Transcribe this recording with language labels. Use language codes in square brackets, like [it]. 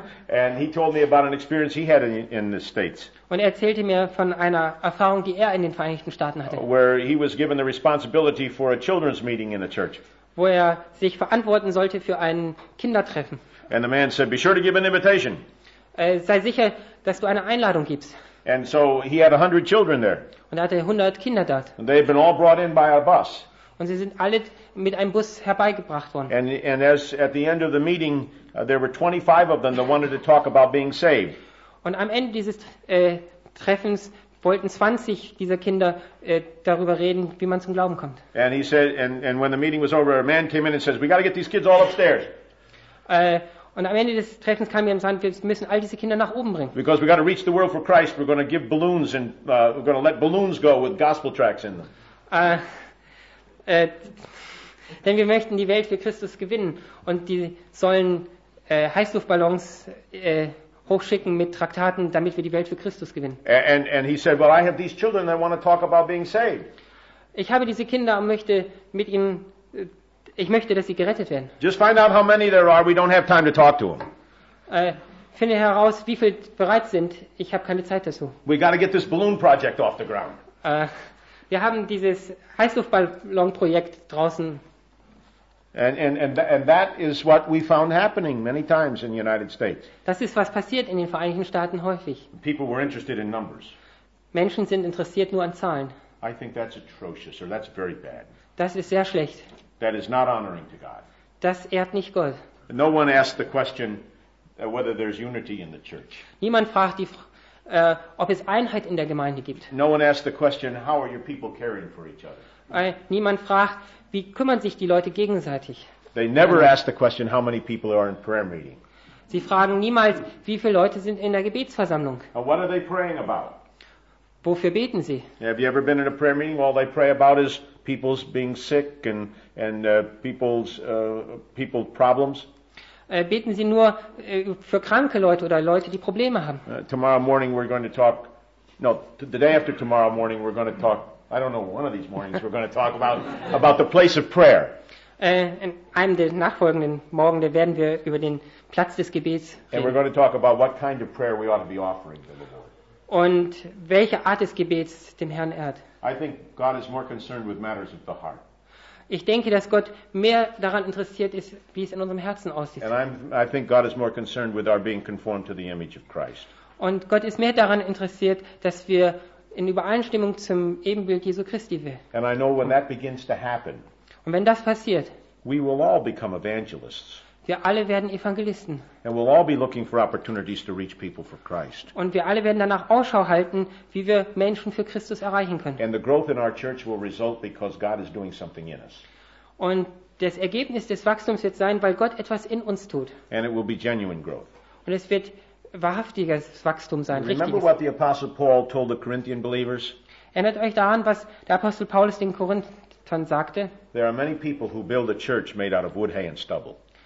[en] And he told me about an experience he had in the States. [de] Und er erzählte mir von einer Erfahrung, die er in den Vereinigten Staaten hatte. [en] Where he was given the responsibility for a children's meeting in a church. [de] Wo er sich verantworten sollte für ein Kindertreffen. [en] And the man said, "Be sure to give an invitation." [de] Sei sicher, dass du eine Einladung gibst. [en] And so he had 100 children there. [de] Und er hatte 100 Kinder dort. [en] And they had been all brought in by a bus. [de] Und sie sind alle mit einem Bus herbeigebracht worden. [en] And as at the end of the meeting, there were 25 of them that wanted to talk about being saved. [de] Und am Ende dieses Treffens wollten 20 dieser Kinder darüber reden, wie man zum Glauben kommt. [en] And he said, and when the meeting was over, a man came in and says, "We got to get these kids all upstairs." [de] Und am Ende des Treffens kam jemand und sagte, wir müssen all diese Kinder nach oben bringen. [en] Because we got to reach the world for Christ, we're going to give balloons and we're going to let balloons go with gospel tracks in them. [de] Denn wir möchten die Welt für Christus gewinnen und die sollen Heißluftballons hochschicken mit Traktaten, damit wir die Welt für Christus gewinnen. [en] And he said, "Well, I have these children that want to talk about being saved." [de] Ich habe diese Kinder und möchte mit ihnen, ich möchte, dass sie gerettet werden. [en] Just find out how many there are. We don't have time to talk to them. [de] Finde heraus, wie viele bereit sind. Ich habe keine Zeit dazu. [en] We got to get this balloon project off the ground. [de] Wir haben dieses Heißluftballon-Projekt draußen. [en] And that is what we found happening many times in the United States. [de] Das ist, was passiert in den Vereinigten Staaten häufig. [en] People were interested in numbers. [de] Menschen sind interessiert nur an Zahlen. [en] I think that's atrocious, or that's very bad. [de] Das ist sehr schlecht. [en] That is not honoring to God. [de] Das ehrt nicht Gott. [en] No one asked the question whether there's unity in the church. [de] Niemand fragt die Frage, ob es Einheit in der Gemeinde gibt. [en] No one asked the question, how are your people caring for each other? [de] Niemand fragt, wie kümmern sich die Leute gegenseitig? [en] They never ask the question, how many people are in prayer meeting? [de] Sie fragen niemals, wie viele Leute sind in der Gebetsversammlung? [en] What are they praying about? [de] Wofür beten sie? [en] Have you ever been in a prayer meeting? All they pray about is people's being sick and people's problems. [de] Beten Sie nur für kranke Leute oder Leute, die Probleme haben. [en] Tomorrow morning we're going to talk. No, the day after tomorrow morning we're going to talk. I don't know. One of these mornings we're going to talk about the place of prayer. [de] In einem der nachfolgenden Morgen werden wir über den Platz des Gebets reden. [en] And we're going to talk about what kind of prayer we ought to be offering to the Lord. [de] Und welche Art des Gebets dem Herrn ehrt. [en] I think God is more concerned with matters of the heart. [de] Ich denke, dass Gott mehr daran interessiert ist, wie es in unserem Herzen aussieht. [en] And I think God is more concerned with our being conformed to the image of Christ. [de] Und Gott ist mehr daran interessiert, dass wir in Übereinstimmung zum Ebenbild Jesu Christi werden. [en] And I know when that begins to happen. [de] Und wenn das passiert, [en] we will all become evangelists. [de] Wir alle werden Evangelisten. [en] And we'll all be looking for opportunities to reach people for Christ. [de] Und wir alle werden danach Ausschau halten, wie wir Menschen für Christus erreichen können. [en] And the growth in our church will result because God is doing something in us. [de] Und das Ergebnis des Wachstums wird sein, weil Gott etwas in uns tut. [en] And it will be genuine growth. [de] Und es wird wahrhaftiges Wachstum sein, richtiges. [en] Remember what the Apostle Paul told the Corinthian believers? [de] Erinnert euch daran, was der Apostel Paulus den Korinthern sagte? [en] There are many people who build a church made out of wood, hay and stubble.